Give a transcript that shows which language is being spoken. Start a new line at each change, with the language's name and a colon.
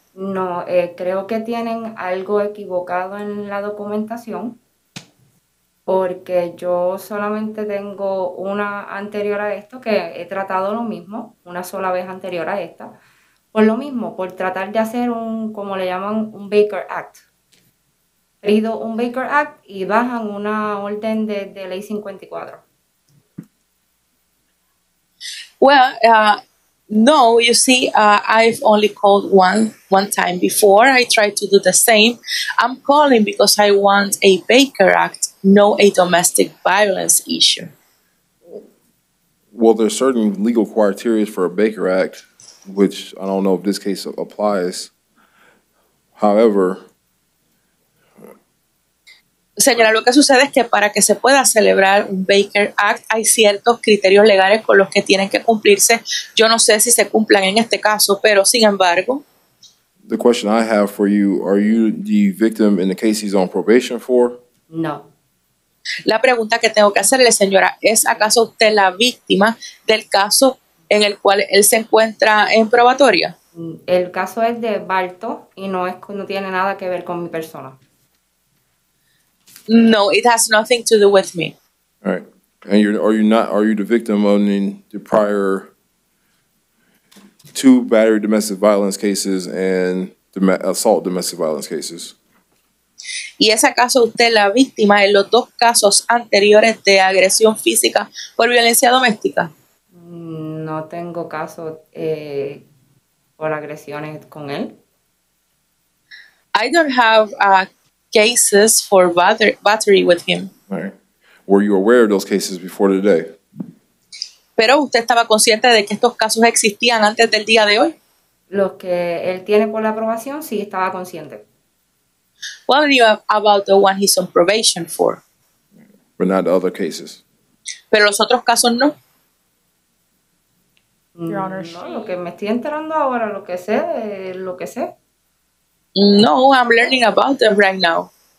Spanish: No, creo que tienen algo equivocado en la documentación, porque yo solamente tengo una anterior a esto, que he tratado lo mismo, una sola vez anterior a esta. Por lo mismo, por tratar de hacer un, como le llaman, un Baker Act. Pido un Baker Act y bajan una orden de ley 54.
English: Well, no, you see, I've only called one time before. I tried to do the same. I'm calling because I want a Baker Act, no a domestic violence issue. Well, there are certain legal criteria for a Baker Act, which I don't know if this case applies. However,
Spanish: Señora, lo que sucede es que para que se pueda celebrar un Baker Act hay ciertos criterios legales con los que tienen que cumplirse. Yo no sé si se cumplan en este caso, pero sin embargo.
English: The question I have for you, are you the victim in the case he's on probation for? No.
Spanish: La pregunta que tengo que hacerle, señora, ¿es acaso usted la víctima del caso en el cual él se encuentra en probatoria? El caso es de Balto y no tiene nada que ver con mi persona.
English: No, it has nothing to do with me. All right. And are you the victim of the prior two battery domestic violence cases and assault domestic violence cases?
Spanish: ¿Y es acaso usted la víctima en los dos casos anteriores de agresión física por violencia doméstica? No tengo caso por agresiones con él.
English: I don't have cases for battery with him. Right. Were you aware of those cases before today?
Spanish: ¿Pero usted estaba consciente de que estos casos existían antes del día de hoy? Los que él tiene por la aprobación, sí estaba consciente.
English: What do you have about the one he's on probation for? But not the other cases.
Spanish: ¿Pero los otros casos no?
English: Your Honor,
Spanish: no, lo que me estoy enterando ahora, lo que sé, lo que sé.
English: No, I'm learning about them right now.